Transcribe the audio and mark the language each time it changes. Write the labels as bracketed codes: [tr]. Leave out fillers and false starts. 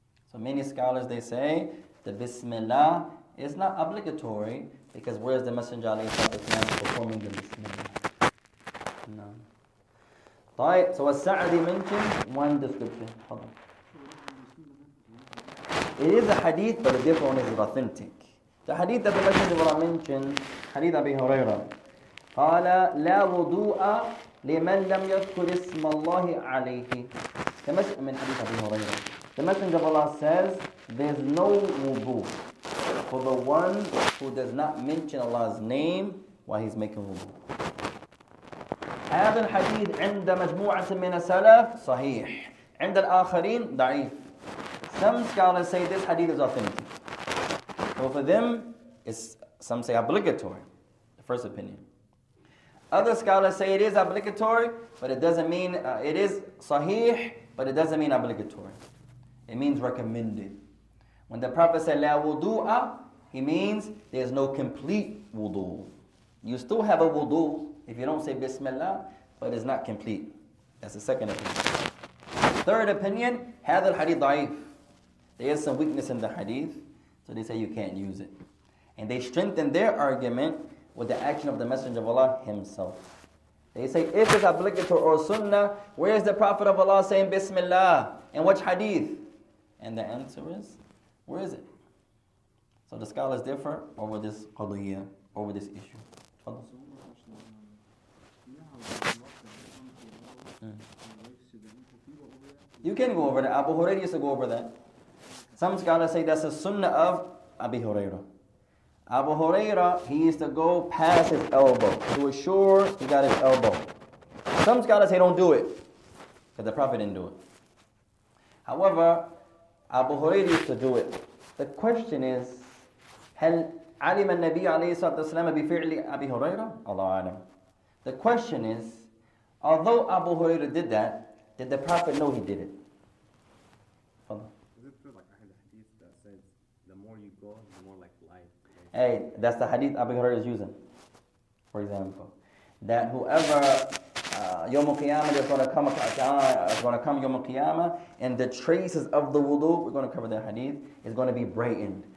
[en] So many scholars, they say, the Bismillah is not obligatory, because where is the Messenger of Allah performing the Bismillah? No. [ar] طيب, [en] so as Sa'adi mentioned, one description. Hold on. It is a hadith, but the different one is authentic. The hadith that the Messenger mentioned, hadith Abi Hurairah. [ar] قال لا وضوء لمن لم يذكر اسم الله عليه. [en] The Messenger of Allah says, there's no wudu for the one who does not mention Allah's name while he's making wudu. [ar] هذا الحديث عند مجموعة من السلف صحيح. عند الآخرين ضعيف. [en] Some scholars say this hadith is authentic. So for them, it's, some say obligatory, the first opinion. Other scholars say it is obligatory, but it doesn't mean, it is sahih, but it doesn't mean obligatory. It means recommended. When the Prophet said, la wudu'a, he means there's no complete wudu. You still have a wudu if you don't say Bismillah, but it's not complete. That's the second opinion. Third opinion, [ar] هذا الحديث ضعيف. [en] There is some weakness in the hadith, so they say you can't use it. And they strengthen their argument with the action of the Messenger of Allah himself. They say, if it's obligatory or sunnah, where is the Prophet of Allah saying Bismillah? And which hadith? And the answer is, where is it? So the scholars differ over this qadiyah, over this issue. You can go over that. Abu Hurairah used to go over that. Some scholars say that's a sunnah of Abi Hurairah. Abu Hurairah, he used to go past his elbow to assure he got his elbow. Some scholars say don't do it, because the Prophet didn't do it. However, Abu Hurairah used to do it. The question is, [ar] هل علم النبي عليه الصلاة والسلام بفعل أبي هريرة؟ الله أعلم. [en] The question is, although Abu Hurairah did that, did the Prophet know he did it? Hey, that's the hadith Abu Hurairah is using, for example. That whoever, Yawm al-Qiyamah is going to come, Yawm al-Qiyamah, and the traces of the wudu, we're going to cover that hadith, is going to be brightened.